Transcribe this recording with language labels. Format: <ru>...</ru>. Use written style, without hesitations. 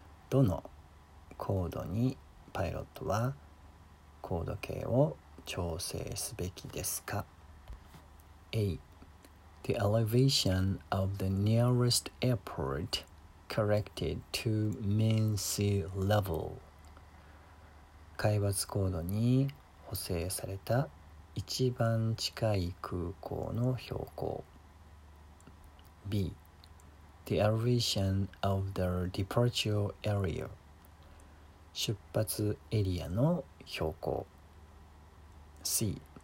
<ja>どの高度にパイロットは高度計を調整すべきですか?</ja> <en>A. The elevation of the nearest airport corrected to mean sea level.</en> <ja>海抜高度に補正された一番近い空港の標高。</ja> <en>B. The elevation of the departure area.</en> <ja>出発エリアの標高。</ja> <en>C.</en>